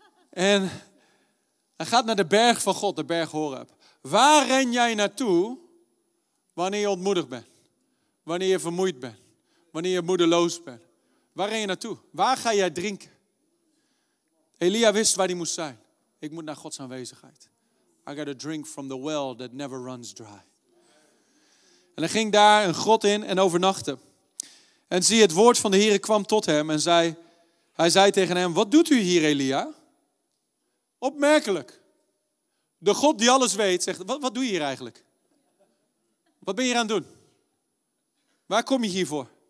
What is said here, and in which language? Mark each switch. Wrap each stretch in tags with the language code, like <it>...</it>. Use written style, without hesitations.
<nl>En hij gaat naar de berg van God, de berg Horeb. Waar ren jij naartoe wanneer je ontmoedigd bent? Wanneer je vermoeid bent? Wanneer je moedeloos bent. Waar ren je naartoe? Waar ga jij drinken? Elia wist waar hij moest zijn. Ik moet naar Gods aanwezigheid.</nl> <en>I got a drink from the well that never runs dry.</en> <nl>En hij ging daar een grot in en overnachtte. En zie, het woord van de Heere kwam tot hem en zei, hij zei tegen hem, wat doet u hier, Elia? Opmerkelijk. De God die alles weet zegt, wat doe je hier eigenlijk? Wat ben je hier aan het doen? Waar kom je hier voor?</nl>